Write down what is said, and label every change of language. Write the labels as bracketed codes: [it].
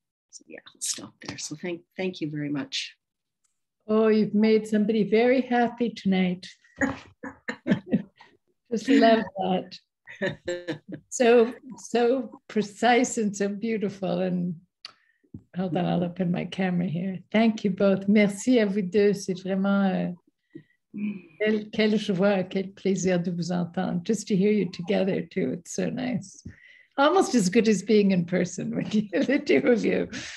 [en] So yeah, I'll stop there. So thank you very much. Oh, you've made somebody very happy tonight. Just love that. So precise and so beautiful. And hold on, I'll open my camera here. Thank you both. [fr] Merci à vous deux. C'est vraiment quelle joie, quel plaisir de vous entendre. [en] Just to hear you together too, it's so nice. Almost as good as being in person with you, the two of you.